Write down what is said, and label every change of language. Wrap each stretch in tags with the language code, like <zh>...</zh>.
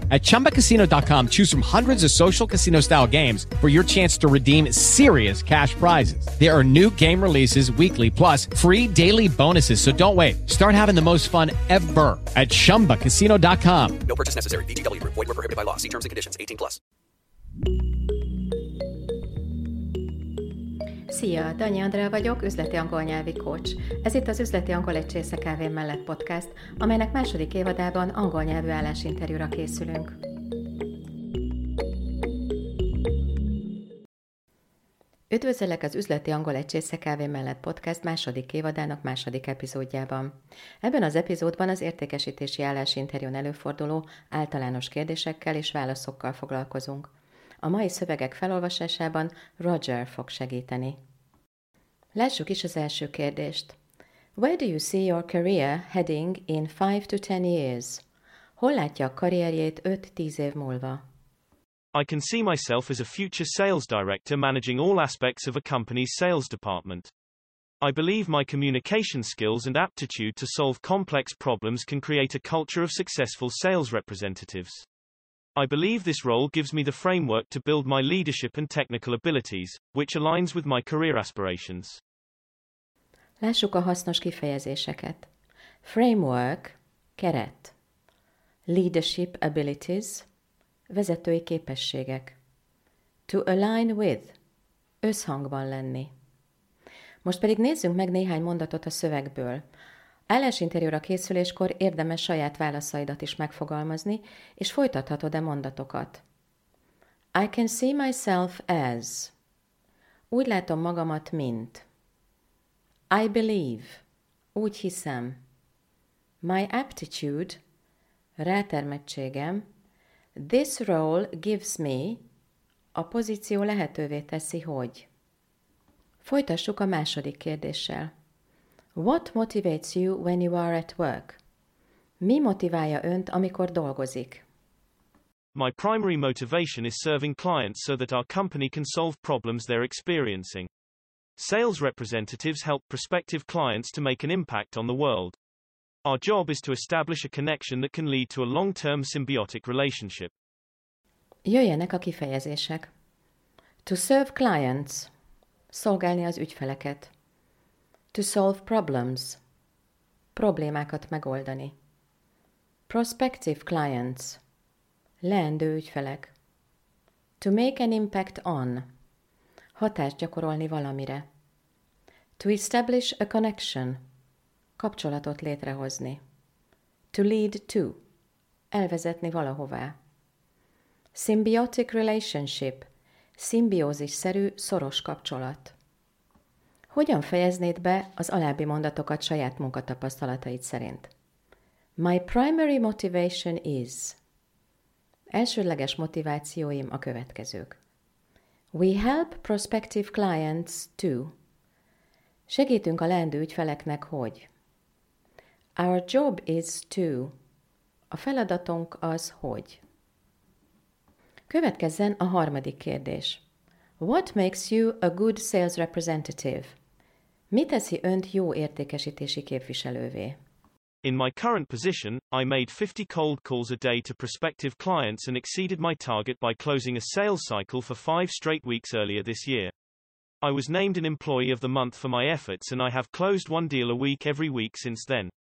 <en>At ChumbaCasino.com, choose from hundreds of social casino style games for your chance to redeem serious cash prizes. There are new game releases weekly, plus free daily bonuses. So don't wait. Start having the most fun ever at ChumbaCasino.com. No purchase necessary. VGW. Void where prohibited by law. See terms and conditions. 18 plus.</en> <hu>Szia, Danyi Andrea vagyok, üzleti angol nyelvi coach. Ez itt az Üzleti Angol egy csésze kávé mellett podcast, amelynek második évadában angol nyelvű állásinterjúra készülünk. Üdvözöllek az Üzleti Angol egy csésze kávé mellett podcast második évadának második epizódjában. Ebben az epizódban az értékesítési állásinterjún előforduló általános kérdésekkel és válaszokkal foglalkozunk. A mai szövegek felolvasásában Roger fog segíteni. Lássuk is az első kérdést.</hu> <en>Where do you see your career heading in 5 to 10 years?</en> <hu>Hol látja a karrierjét 5-10 év múlva?</hu> <en>I can see myself as a future sales director managing all aspects of a company's sales department. I believe my communication skills and aptitude to solve complex problems can create a culture of successful sales representatives. I believe this role gives me the framework to build my leadership and technical abilities, which aligns with my career aspirations.</en> <hu>Lássuk a hasznos kifejezéseket.</hu> <en>Framework,</en> <hu>keret.</hu> <en>Leadership abilities,</en> <hu>vezetői képességek.</hu> <en>To align with,</en> <hu>összhangban lenni. Most pedig nézzünk meg néhány mondatot a szövegből. Állásinterjúra készüléskor érdemes saját válaszaidat is megfogalmazni, és folytathatod a mondatokat.</hu> <en>I can see myself as.</en> <hu>Úgy látom magamat, mint.</hu> <en>I believe.</en> <hu>Úgy hiszem.</hu> <en>My aptitude.</en> <hu>Rátermettségem.</hu> <en>This role gives me.</en> <hu>A pozíció lehetővé teszi, hogy. Folytassuk a második kérdéssel.</hu> <en>What motivates you when you are at work?</en> <hu>Mi motiválja önt, amikor dolgozik?</hu> <en>My primary motivation is serving clients so that our company can solve problems they're experiencing. Sales representatives help prospective clients to make an impact on the world. Our job is to establish a connection that can lead to a long-term symbiotic relationship.</en> <hu>Jöjjenek a kifejezések.</hu> <en>To serve clients.</en> <hu>Szolgálni az ügyfeleket.</hu> <en>To solve problems.</en> <hu>Problémákat megoldani.</hu> <en>Prospective clients.</en> <hu>Leendő ügyfelek.</hu> <en>To make an impact on.</en> <hu>Hatást gyakorolni valamire.</hu> <en>To establish a connection.</en> <hu>Kapcsolatot létrehozni.</hu> <en>To lead to.</en> <hu>Elvezetni valahová.</hu> <en>Symbiotic relationship.</en> <hu>Szimbiózisszerű, szoros kapcsolat. Hogyan fejeznéd be az alábbi mondatokat saját munkatapasztalataid szerint?</hu> <en>My primary motivation is.</en> <hu>Elsődleges motivációim a következők.</hu> <en>We help prospective clients to.</en> <hu>Segítünk a leendő ügyfeleknek, hogy.</hu> <en>Our job is to.</en> <hu>A feladatunk az, hogy. Következzen a harmadik kérdés.</hu> <en>What makes you a good sales representative?</en> <hu>Mi teszi önt jó értékesítési képviselővé?</hu> <en>In my current position, I made 50 cold calls a day to prospective clients and exceeded my target by closing a sales cycle for 5 straight weeks earlier this year. I was named an employee of the month for my efforts and I have closed one deal a week every week since then.</en>